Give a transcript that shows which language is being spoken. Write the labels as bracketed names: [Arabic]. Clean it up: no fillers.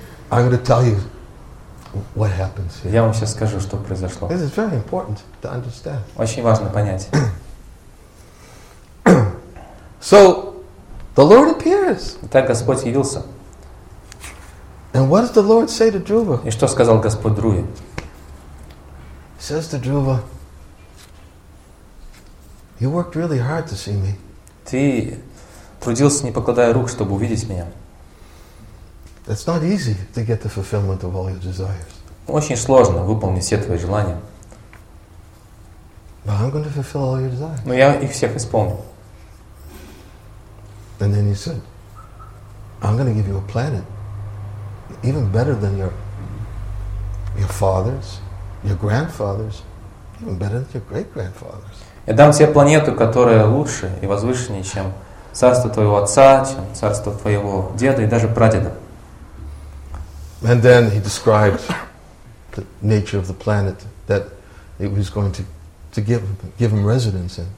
[English] I'm going to tell you what happens here. [Russian] Я вам сейчас скажу, что произошло. [English] This is very important to understand. [Russian] Очень важно понять. [English] So, the Lord appears. [Russian] Итак, Господь явился. [English] And what does the Lord say to Dhruva? [Russian] И что сказал Господь Друве? [English] He says to Dhruva, you worked really hard to see me. [Russian] Ты трудился, не покладая рук, чтобы увидеть меня. [English] It's not easy to get the fulfillment of all your desires. [Russian] Очень сложно выполнить все твои желания. [English] But I'm going to fulfill all your desires. [Russian] Но я их всех исполню. [English] And then he said, I'm going to give you a planet even better than your father's, your grandfather's, even better than your great-grandfather's. [Russian] Я дам тебе планету, которая лучше и возвышеннее, чем царство твоего отца, чем царство твоего деда и даже прадеда. [English] And then he described the nature of the planet that it was going to give him residence in.